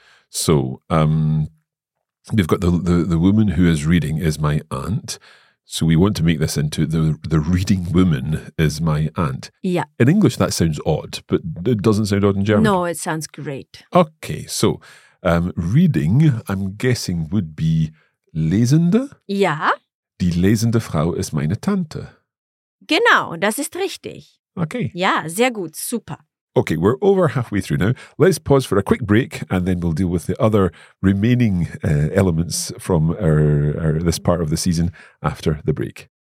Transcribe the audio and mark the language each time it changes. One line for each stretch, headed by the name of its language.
English: So, we've got the woman who is reading is my aunt. So we want to make this into the reading woman is my aunt. Yeah. In English, that sounds odd, but it doesn't sound odd in German. No, it sounds great. Okay, so reading, I'm guessing, would be lesende. Yeah.
German: Die lesende Frau ist meine Tante. Genau, das ist richtig.
English: Okay.
German: Yeah, sehr gut, super.
English: Okay, we're over halfway through now. Let's pause for a quick break and then we'll deal with the other remaining elements from our this part of the season after the break.